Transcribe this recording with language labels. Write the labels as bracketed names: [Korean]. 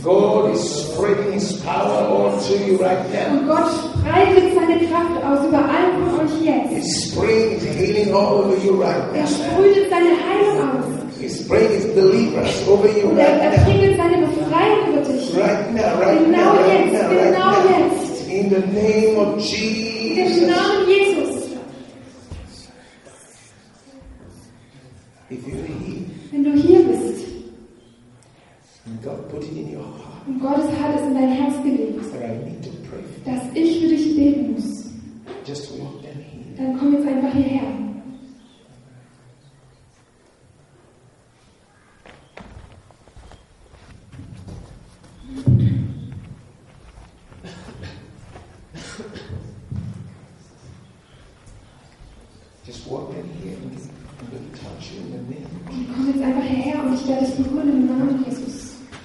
[English] God is spreading His power onto you right now. [German] Und Gott breitet seine Kraft aus über all von euch jetzt. [English] He's spreading healing all over you right now. [German] Er sprüht seine Heilung aus. [English] He's bringing deliverance over you right now. [German] Er bringt seine Befreiung über dich. [English] Right now, right now, right now, right now. [German] Genau jetzt. [English] In the name of Jesus. [German] Im Namen Jesus. [English] If you're here. [German] Wenn du hier bist. [English] God put it in your heart. [German] Und Gott hat es in dein Herz gelegt, [English] I need to pray. [German] Dass ich für dich beten muss. [English] Just walk down here. [German] Dann komm jetzt einfach hierher. [English] Just walk down here and I'm going to touch you in the name. [German] Und komm jetzt einfach hierher und ich werde dich berühren im Namen Jesus.